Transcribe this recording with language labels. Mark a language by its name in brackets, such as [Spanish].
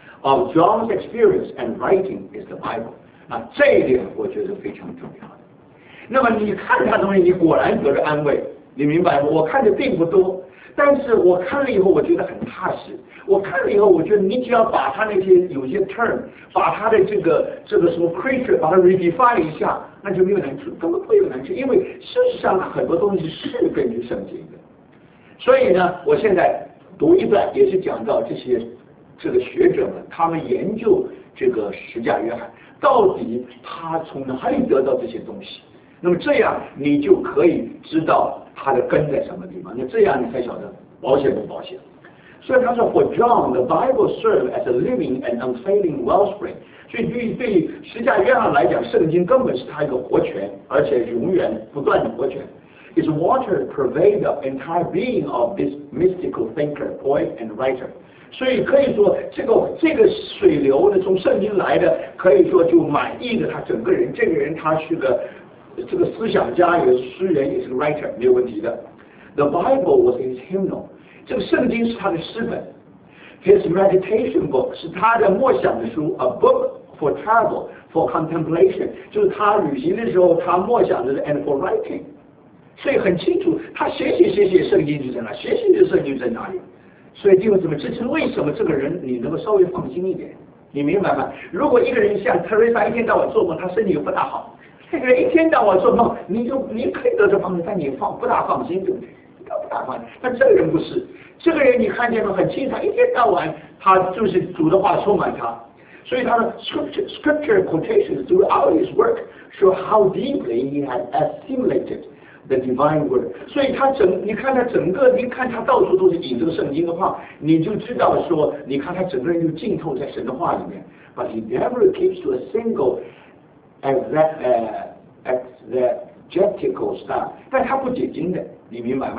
[English] of John's experience and writing is the Bible。 [Chinese] 那这一点我觉得非常重要的。那么你看他东西，你果然得了安慰，你明白吗？我看的并不多，但是我看了以后我觉得很踏实。我看了以后我觉得你只要把他那些有些 term， 把他的这个什么 creature 把它 redefine 一下，那就没有难处，根本不会有难处。因为事实上很多东西是根据圣经的。所以呢，我现在读一段，也是讲到这个学者们他们研究这个十架约翰到底他从哪里得到这些东西。那么这样你就可以知道他的根在什么地方，那这样你才晓得保险不保险。所以他说 [English] For John the Bible served as a living and unfailing wellspring， [Chinese] 所以对十架约翰来讲，圣经根本是他一个活泉，而且永远不断的活泉。 [English] Its water pervade the entire being of this mystical thinker, poet and writer。 [Chinese] 所以可以说这个水流呢，从圣经来的，可以说就满意着他整个人。这个人他是个这个思想家，也是诗人，也是个 writer， 没有问题的。 The Bible was his hymnal，这个圣经是他的诗本。 His meditation book 是他的默想的书。 A book for travel, for contemplation，就是他旅行的时候他默想的， and for writing。所以很清楚，他写圣经就在哪，写信就圣经在哪里。所以弟兄姊妹，这是为什么这个人你能够稍微放心一点，你明白吗？如果一个人像 Teresa 一天到晚做梦，他身体又不大好，这个人一天到晚做梦，你可以得到放心，但你放不大放心，对不对？不大放心。但这个人不是，这个人你看见了很清楚，一天到晚他就是主的话充满他。 [English] 所以他的 scripture quotations throughout his work show how deeply he had assimilated the divine word。 [Chinese] 所以他整，你看他整个，你看他到处都是引这个圣经的话，你就知道说，你看他整个人就浸透在神的话里面。 [English] But he never keeps to a single exegetical style，但他不解经的，你明白吗？